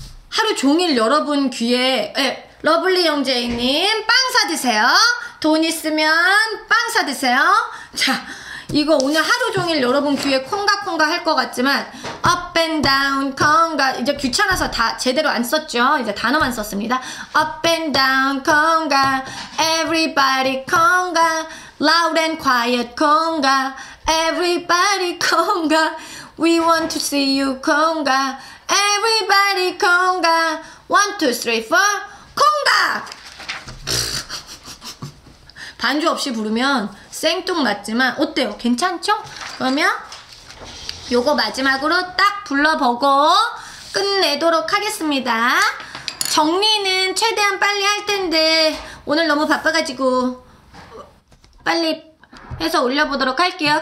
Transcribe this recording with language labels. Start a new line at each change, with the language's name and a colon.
Korean: 하루 종일 여러분 귀에 에 러블리 영재이님 빵 사드세요. 돈 있으면 빵 사드세요. 자 이거 오늘 하루 종일 여러분 귀에 콩가콩가 할 것 같지만
English: up and down
Korean: 콩가 이제 귀찮아서 다 제대로 안 썼죠. 이제 단어만 썼습니다.
English: up and down 콩가 everybody 콩가 loud and quiet 콩가 everybody 콩가 we want to see you 콩가 everybody 콩가 1, 2, 3, 4 콩가!
Korean: 반주 없이 부르면 생뚱맞지만 어때요? 괜찮죠? 그러면 요거 마지막으로 딱 불러보고 끝내도록 하겠습니다. 정리는 최대한 빨리 할 텐데 오늘 너무 바빠가지고 빨리 해서 올려보도록 할게요.